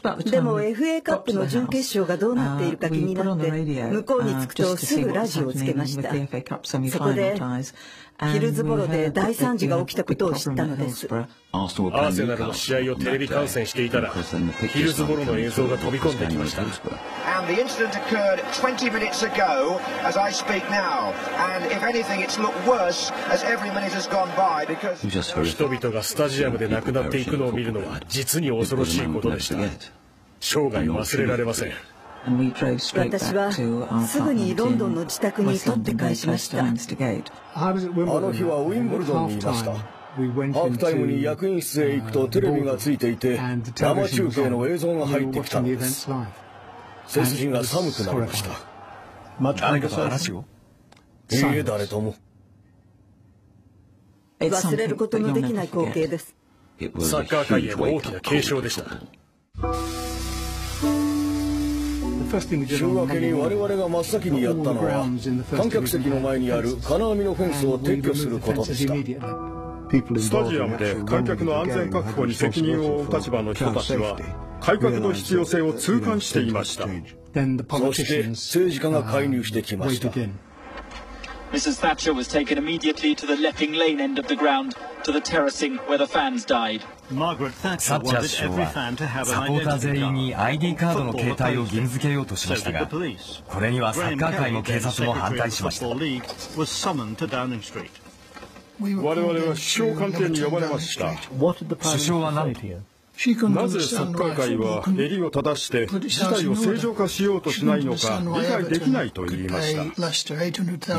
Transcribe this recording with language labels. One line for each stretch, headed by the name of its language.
Japanese: でも FA カップの準決勝がどうなっているか気になって、向こうに着くとすぐラジオをつけました。そこでヒルズボロで大惨事が起きたことを知ったのです。アーセナルの試合をテレビ観戦していたら、ヒルズボロの映像が飛び込んできました。
English: And the incident occurred 20 minutes ago as I speak now. And if anything, it's looked worse as every minute has gone by because
Japanese: 人々がスタジアムで亡くなっていくのを見るのは実に恐ろしいことでした。生涯忘れられません。私はすぐにロンドンの自宅に取って返しました。あの日はウィンブルドンにいました。ハーフタイムに役員室へ行くとテレビがついていて、生中継の映像が入ってきたんです。背筋が寒くなりました。誰かと話を、いいえ、誰とも。忘れることのできない光景です。サッカー界への大きな継承でした。週明けに我々が真っ先にやったのは、観客席の前にある金網のフェンスを撤去することでした。スタジアムで観客の安全確保に責任を負う立場の人たちは、改革の必要性を痛感していました。そして政治家が介入してきました。
English: Mrs. Thatcher was taken immediately to the Leping Lane end of the ground, to the terracing where the fans died. Margaret Thatcher wanted every fan to have an ID card.
Japanese: サポーター全員に ID カードの携帯を義務付けようとしましたが、これにはサッカー界も警察も反対しました。我々は首相官邸に呼ばれました。首相は何？なぜサッカー界は襟を正して事態を正常化しようとしないのか理解できないと言いました。